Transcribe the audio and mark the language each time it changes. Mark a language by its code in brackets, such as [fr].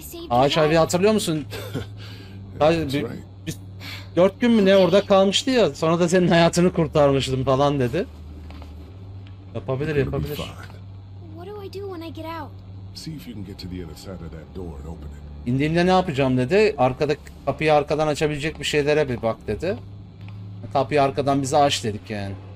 [tr] Ağaç abi hatırlıyor musun? Biz 4 gün mü ne orada kalmıştı ya. Sonra da senin hayatını kurtarmıştım falan dedi. Yapabilir, yapabilir. [en] What do I do when I get out? See if you can get to the other side of that door and open it. [tr] İndiğimde ne yapacağım dedi. Arkadaki kapıyı arkadan açabilecek bir şeylere bir bak dedi. Kapıyı arkadan bize aç dedik yani.